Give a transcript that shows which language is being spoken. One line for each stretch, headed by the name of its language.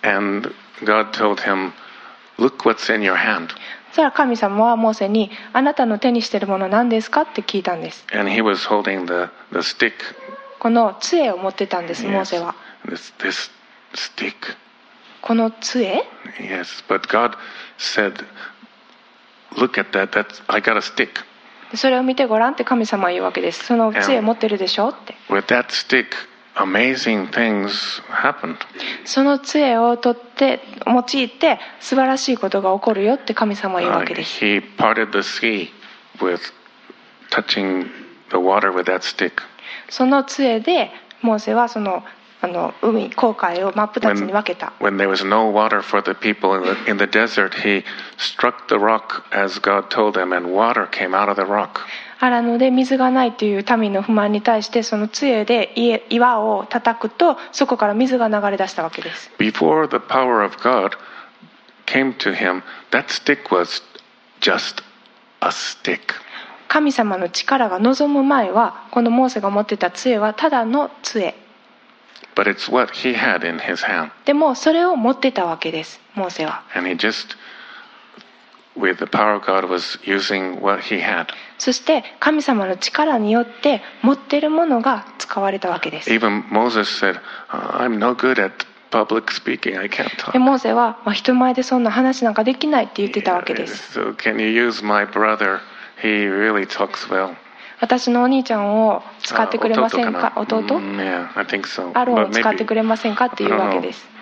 English: And God told him, "Look what's in your hand."
Japanese: そら神様はモーセにあなたの手にしているもの何ですかって聞いたんです。
English: And he was holding the stick.
Japanese: この杖を持ってたんです、モーセは。
English: Yes. This stick.
Japanese: この杖?
English: Yes, but God said, "Look at that. That's I got a stick."
Japanese: それを見てごらんって神様は言うわけです。その杖持ってるでしょって。
English: With that stick, amazing things happened.
Japanese: その杖を取って用いて素晴らしいことが起こるよって神様は言うわけです。
English: He parted the sea with touching the water with that stick.
Japanese: その杖でモーセはその海、航海を真っ二つに分けた。
English: When there was no water for the people in the desert, he struck the rock as God told them, and water came out of the rock.
Japanese: アラノで水がないという民の不満に対して、その杖で岩を叩くと、そこから水が流れ出したわけです。
English: Before the power of God came to him, that stick was just a stick.
Japanese: 神様の力が望む前は、このモーセが持ってた杖はただの杖。
English: But it's what he had in his hand.
Japanese: でもそれを持ってたわけです、モーセは。
English: And he just, with the power of God, was using what he had.
Japanese: そして神様の力によって持ってるものが使われたわけです。
English: Even Moses said, "I'm no good at public speaking. I can't talk."
Japanese: でモーセは、人前でそんな話なんかできないって言ってたわけです。
English: So can you use my brother? He really talks well.
Japanese: 私のお兄ちゃんを使ってくれませんか、弟？
English: Yeah, I think so.
Japanese: アロンを使ってくれませんかっていうわけです。